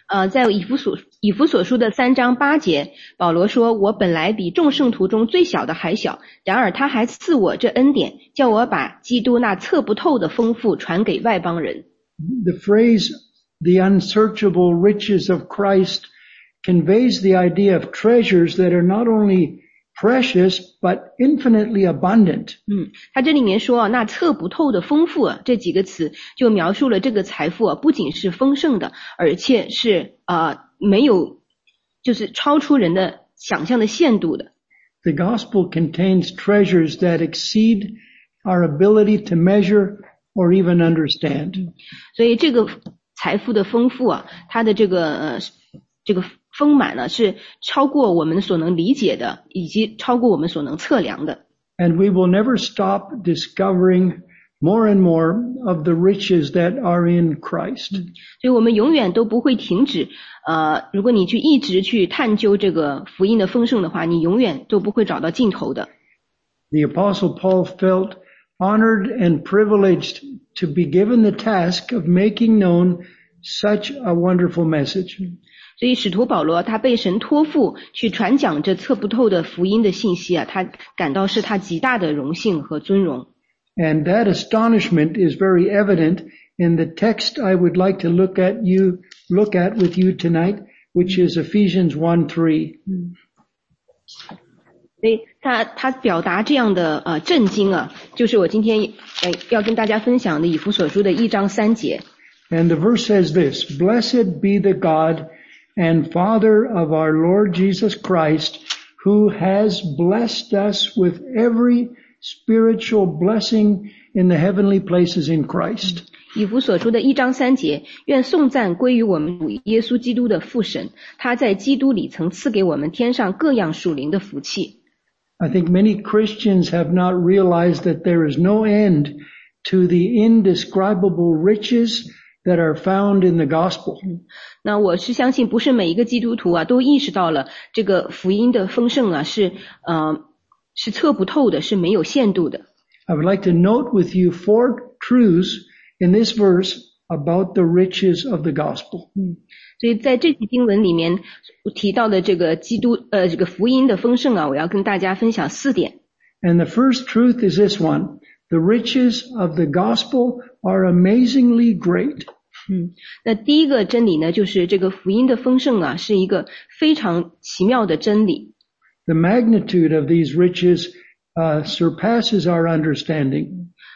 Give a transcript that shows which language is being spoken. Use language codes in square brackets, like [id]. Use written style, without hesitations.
[zh] 在以弗所书的三章八节，保罗说，我本来比众圣徒中最小的还小，然而他还赐我这恩典，叫我把基督那测不透的丰富传给外邦人。 [en] The phrase, the unsearchable riches of Christ, conveys the idea of treasures that are not only precious, but infinitely abundant. [zh] 他这里面说啊，那测不透的丰富啊，这几个词就描述了这个财富啊，不仅是丰盛的，而且是没有，就是超出人的想象的限度的。 [en] The gospel contains treasures that exceed our ability to measure. Or even understand. [zh] 所以这个财富的丰富啊，它的这个丰满呢，是超过我们所能理解的，以及超过我们所能测量的。 [en] And we will never stop discovering more and more of the riches that are in Christ. [zh] 所以我们永远都不会停止，如果你去一直去探究这个福音的丰盛的话，你永远都不会找到尽头的。 [en] The Apostle Paul felt. Honored and privileged to be given the task of making known such a wonderful message. [zh] 所以使徒保罗他被神托付去传讲这测不透的福音的信息啊，他感到是他极大的荣幸和尊荣。 [en] And that astonishment is very evident in the text I would like to look at with you tonight, which is Ephesians 1:3. [zh] 所以他表达这样的震惊啊，就是我今天要跟大家分享的以弗所书的一章三节。 [en] And the verse says this, Blessed be the God and Father of our Lord Jesus Christ, who has blessed us with every spiritual blessing in the heavenly places in Christ. [zh] 以弗所书的一章三节，愿颂赞归于我们主耶稣基督的父神，他在基督里曾赐给我们天上各样属灵的福气。 [en] I think many Christians have not realized that there is no end to the indescribable riches that are found in the gospel. [zh] 那我是相信不是每一个基督徒啊都意识到了这个福音的丰盛啊是测不透的，是没有限度的。 [en] I would like to note with you four truths in this verse about the riches of the gospel. [zh] 所以在这几经文里面提到的这个基督这个福音的丰盛啊，我要跟大家分享四点。 [en] And the first truth is this one. The riches of the gospel are amazingly great. [zh] 那第一个真理呢，就是这个福音的丰盛啊，是一个非常奇妙的真理。 [en] The magnitude of these riches, surpasses our understanding.